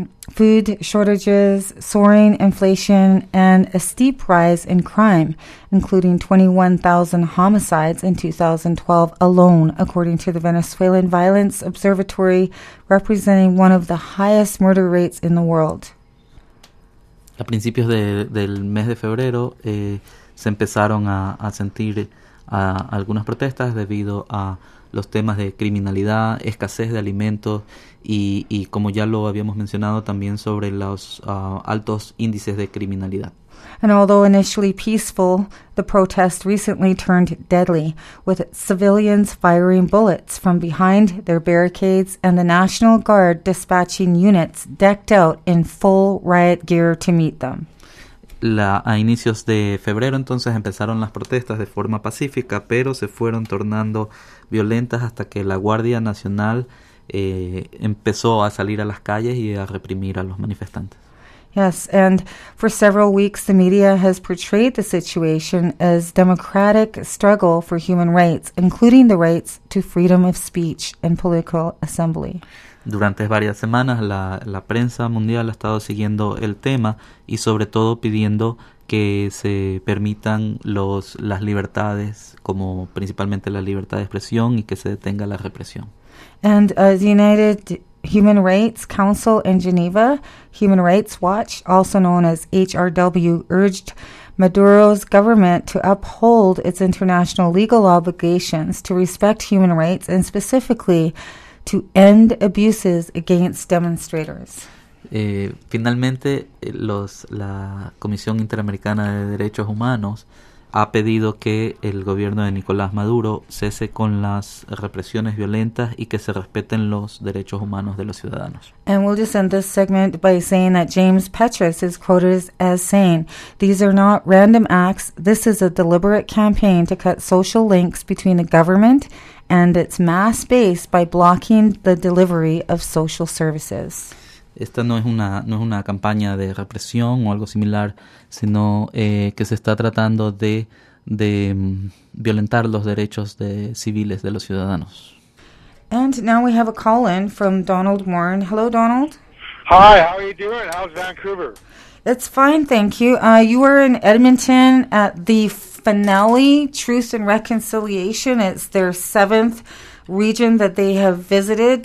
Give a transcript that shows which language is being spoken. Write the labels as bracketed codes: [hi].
[en] food shortages, soaring inflation, and a steep rise in crime, including 21,000 homicides in 2012 alone, according to the Venezuelan Violence Observatory, representing one of the highest murder rates in the world. [es] A principios del mes de febrero, se empezaron a sentir algunas protestas debido a los temas de criminalidad, escasez de alimentos y como ya lo habíamos mencionado, también sobre los altos índices de criminalidad. [en] And although initially peaceful, the protest recently turned deadly, with civilians firing bullets from behind their barricades and the National Guard dispatching units decked out in full riot gear to meet them. [es] A inicios de febrero entonces empezaron las protestas de forma pacífica, pero se fueron tornando violentas hasta que la Guardia Nacional empezó a salir a las calles y a reprimir a los manifestantes. [en] Yes, and for several weeks, the media has portrayed the situation as democratic struggle for human rights, including the rights to freedom of speech and political assembly. [es] Durante varias semanas, la prensa mundial ha estado siguiendo el tema y sobre todo pidiendo que se permitan las libertades, como principalmente la libertad de expresión y que se detenga la represión. [en] And the United Human Rights Council in Geneva, Human Rights Watch, also known as HRW, urged Maduro's government to uphold its international legal obligations to respect human rights and specifically to end abuses against demonstrators. [es] Finalmente, la Comisión Interamericana de Derechos Humanos ha pedido que el gobierno de Nicolás Maduro cese con las represiones violentas y que se respeten los derechos humanos de los ciudadanos. [en] And we'll just end this segment by saying that James Petras is quoted as saying, "These are not random acts. This is a deliberate campaign to cut social links between the government and its mass base by blocking the delivery of social services." [es] Esta no es una campaña de represión o algo similar, sino que se está tratando de violentar los derechos de civiles de los ciudadanos. [en] And now we have a call in from Donald Warren. Hello, Donald. Hi, how are you doing? How's Vancouver? It's fine, thank you. You were in Edmonton at the finale, Truth and Reconciliation. It's their seventh region that they have visited.